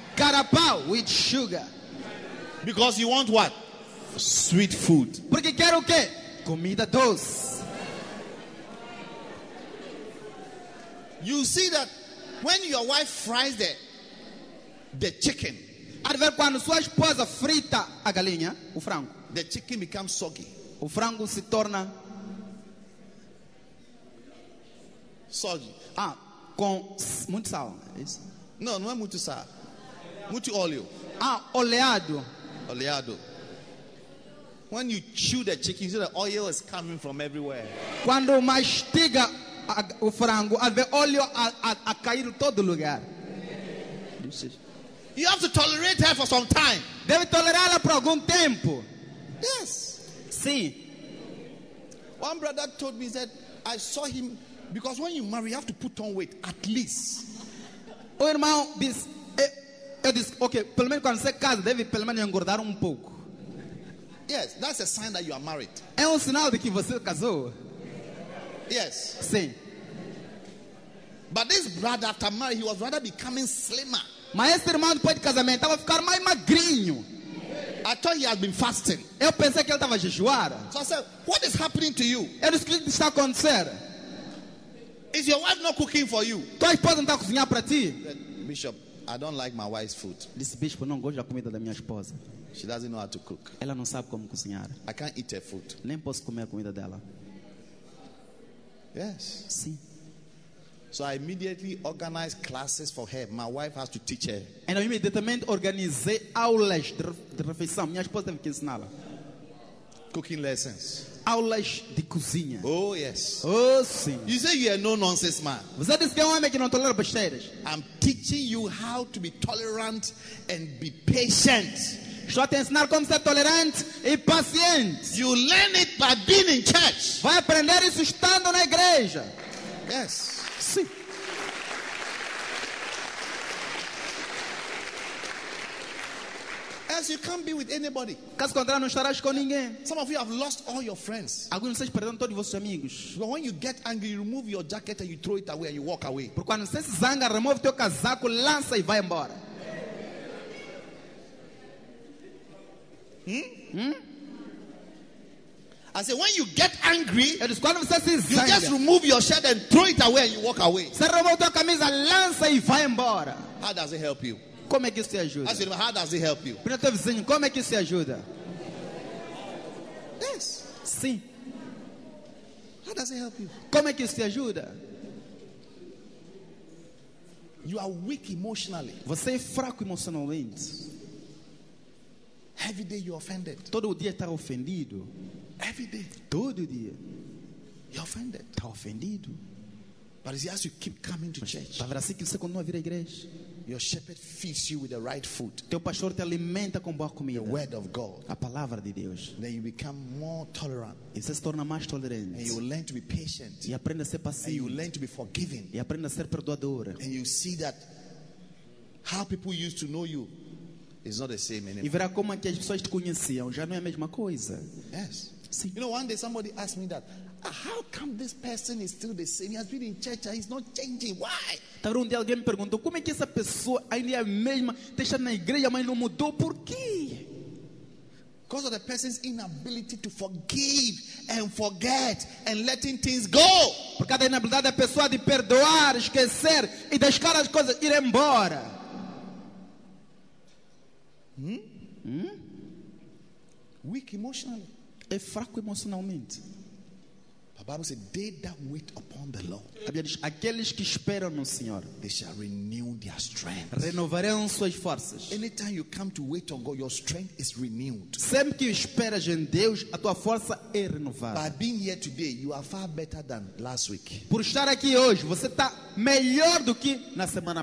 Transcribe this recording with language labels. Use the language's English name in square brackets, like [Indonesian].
[English] Carapau with sugar. Because you want what? Sweet food. [Portuguese] Porque quero o quê? Comida doce. [English] You see that when your wife fries the chicken, [Portuguese] adver quando sua esposa frita a galinha, o frango, [English] the chicken becomes soggy. [Portuguese] O frango se torna [English] soggy. [Portuguese] Ah, com muito sal. Não é muito sal. Muito óleo. Ah, oleado. Oleado. [English] When you chew the chicken, you see the oil is coming from everywhere. [Portuguese] Quando mastiga o frango, o óleo a cair todo lugar. [English] You have to tolerate her for some time. [Portuguese] Deve tolerá-la por algum tempo. [English] Yes. [Portuguese] Sim. [English] One brother told me that I saw him because when you marry, you have to put on weight at least. [Portuguese] O irmão disse, eu disse, ok, pelo menos quando você casa, deve pelo menos engordar pouco. [English] Yes, that's a sign that you are married. [Portuguese] É sinal de que você casou. [English] Yes. [Portuguese] Sim. [English] But this brother, after marriage, he was rather becoming slimmer. [Portuguese] Mas este irmão depois de casamento estava ficar mais magrinho. [English] I thought he had been fasting. [Portuguese] Eu pensei que ele estava a jejuar. [English] So I said, what is happening to you? [Portuguese] Eu disse, o que está acontecendo? [English] Is your wife not cooking for you? [Portuguese] Tua esposa não está a cozinhar para ti? [English] Bishop, I don't like my wife's food. [Portuguese] Disse, bispo, não gosto da comida da minha esposa. [English] She doesn't know how to cook. [Portuguese] Ela não sabe como cozinhar. [English] I can't eat her food. [Portuguese] Nem posso comer a comida dela. [English] Yes. [Portuguese] Sim. [English] So I immediately organized classes for her. My wife has to teach her. [Portuguese] And eu imediatamente organizei aulas de refeição. Minha esposa teve que ensiná-la. [English] Cooking lessons. [Portuguese] Aulas de cozinha. [English] Oh yes. [Portuguese] Oh sim. [English] You say you are no nonsense man. [Portuguese] Você disse que é um homem que não tolera besteiras. [English] I'm teaching you how to be tolerant and be patient. [Portuguese] Estou a te ensinar como ser tolerante e paciente. [English] You learn it by being in church. [Portuguese] Vai aprender isso estando na igreja. [English] Yes. [Portuguese] Sim. [English] As you can't be with anybody. [Portuguese] Caso contrário, não estarás com ninguém. [English] Some of you have lost all your friends. [Portuguese] Alguns de vocês perderam todos os vossos amigos. [English] But when you get angry, you remove your jacket and you throw it away and you walk away. [Portuguese] Porque quando você se zanga, remove teu casaco, lança e vai embora. [English] I say when you get angry, [Portuguese] eles, quando você se zanga, [English] you just remove your shirt and throw it away and you walk away. [Portuguese] Você remove tua camisa, lança e vai embora. [English] How does it help you? [Portuguese] Como é que isso te ajuda? [English] Ask him, how does it help you? [Portuguese] Pergunta ao vizinho, como é que isso te ajuda? [English] Yes. [Portuguese] Sim. [English] How does it help you? [Portuguese] Como é que isso te ajuda? [English] You are weak emotionally. [Portuguese] Você é fraco emocionalmente. [English] Every day you're offended. [Portuguese] Todo dia está ofendido. [English] Every day. [Portuguese] Todo dia. [English] You're offended. [Portuguese] Está ofendido. [English] But as you keep coming to church, [Portuguese] talvez assim que você continua a vir à igreja. [English] Your shepherd feeds you with the right food. [Portuguese] Teu pastor te alimenta com boa comida. [English] The word of God. [Portuguese] A palavra de Deus. [English] Then you become more tolerant. [Portuguese] E você se torna mais tolerante. [English] And you learn to be patient. [Portuguese] E aprende a ser paciente. [English] And you learn to be forgiving. [Portuguese] E aprende a ser perdoador. [English] And you see that how people used to know you is not the same anymore. [Portuguese] E verá como é que as pessoas te conheciam, já não é a mesma coisa. [English] Yes. [Portuguese] Sim. [English] You know, one day somebody asked me that. How come this person is still the same? He has been in church and he's not changing. Why? [Portuguese] Talvez um dia alguém me perguntou como é que essa pessoa ainda é a mesma, deixa na igreja, mas não mudou. Por quê? [English] Because of the person's inability to forgive and forget and letting things go. [Portuguese] Por causa da inabilidade da pessoa de perdoar, esquecer e deixar as coisas ir embora. [English] Weak emotionally. [Portuguese] É fraco emocionalmente. [English] The Bible says, they that wait upon the Lord, [Portuguese] a Bíblia diz, aqueles que esperam no Senhor, [English] they shall renew their strength. [Portuguese] Renovarão suas forças. [English] Anytime you come to wait on God, your strength is renewed. [Portuguese] Sempre que esperas em Deus, a tua força é renovada. [English] By being here today, you are far better than last week. [Portuguese] Por estar aqui hoje, você está melhor do que na semana